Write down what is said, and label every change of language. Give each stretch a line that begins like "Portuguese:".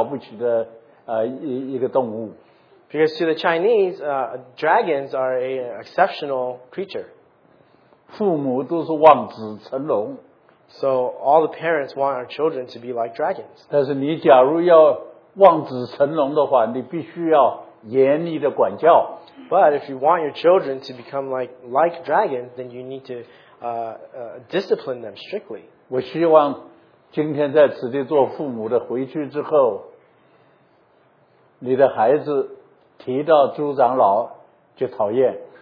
Chinese: 因为对中国人来讲,这个龙是了不起的一个动物。
English: Because to the Chinese, dragons are an exceptional creature.
Chinese: 父母都是望子成龙。
English: So all the parents want our children to be like dragons.
Chinese: 但是你假如要望子成龙的话,你必须要严厉的管教。
English: But if you want your children to become like dragons, then you need to discipline them strictly.
Chinese: 我希望 今天在此地做父母的回去之后, 你的孩子提到朱长老, 就讨厌。